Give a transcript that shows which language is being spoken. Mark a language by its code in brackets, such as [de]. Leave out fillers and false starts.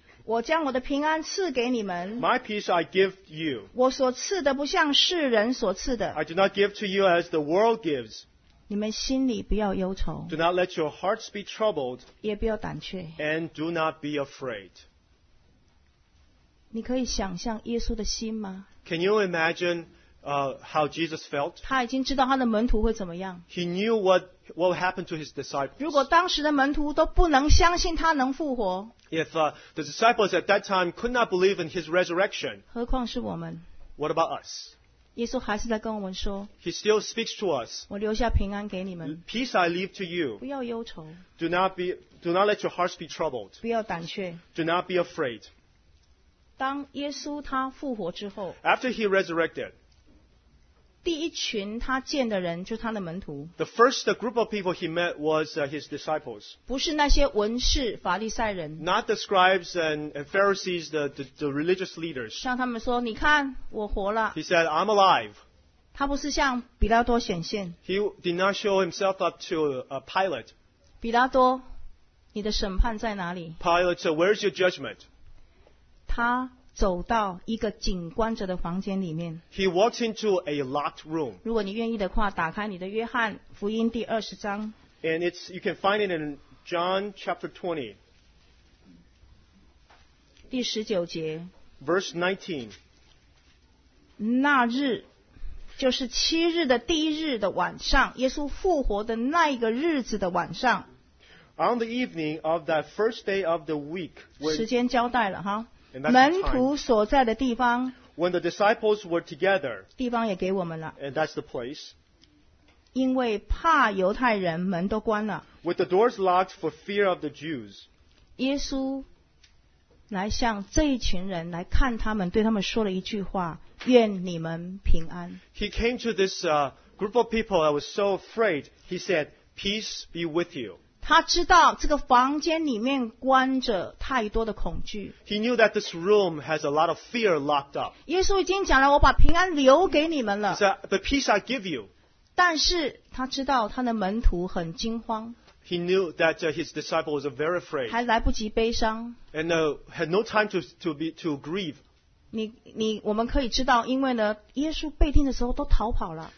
[zh] 我将我的平安赐给你们。 [en] My peace I give you. [zh] 我所赐的不像世人所赐的。 [en] I do not give to you as the world gives. [zh] 你们心里不要忧愁。 [en] Do not let your hearts be troubled. [zh] 也不要胆怯。 [en] And do not be afraid. [zh] 你可以想象耶稣的心吗？ [en] Can you imagine how Jesus felt? [zh] 他已经知道他的门徒会怎么样。 [en] He knew what happened to his disciples. [zh] 如果当时的门徒都不能相信他能复活。 [en] If the disciples at that time could not believe in his resurrection. [zh] 何况是我们。 [en] What about us? [zh] 耶稣还是在跟我们说。 [en] He still speaks to us. [zh] 我留下平安给你们。 [en] Peace I leave to you. [zh] 不要忧愁。 [en] Do not let your hearts be troubled. [zh] 不要胆怯。 [en] Do not be afraid. [zh] 当耶稣他复活之后 [en] After he resurrected, [zh] 第一群他见的人就是他的门徒 [en] The first group of people he met was his disciples [zh] 不是那些文士法利赛人 [en] Not the scribes and Pharisees, the religious leaders [zh] 像他们说你看我活了 [en] He said, I'm alive [zh] 他不是像比拉多显现 [en] He did not show himself up to Pilate [zh] 比拉多你的审判在哪里 [en] Pilate, where's your judgment? [zh] 他走到一个紧关着的房间里面。 [en] He walked into a locked room. [zh] 如果你愿意的话，打开你的约翰福音第二十章。 [en] And it's you can find it in John chapter 20. [zh] 第十九节。 [en] Verse 19. [zh] 那日，就是七日的第一日的晚上，耶稣复活的那一个日子的晚上。 [en] On the evening of that first day of the week. [zh] 时间交代了哈。门徒所在的地方 [en] When the disciples were together, [zh] 地方也给我们了 [en] and that's the place, [zh] 因为怕犹太人门都关了 [en] With the doors locked for fear of the Jews, [zh] 耶稣来向这一群人来看他们对他们说了一句话愿你们平安 [en] He came to this group of people that was so afraid He said, peace be with you [zh] 他知道这个房间里面关着太多的恐惧。 [en] He knew that this room has a lot of fear locked up. [zh] 耶稣已经讲了，我把平安留给你们了。 [en] He said, "But peace I give you." [zh] 但是他知道他的门徒很惊慌。 [en] He knew that his disciples were very afraid. [zh] 还来不及悲伤。 [en] And had no time to grieve. [zh] 你我们可以知道，因为呢，耶稣被钉的时候都逃跑了。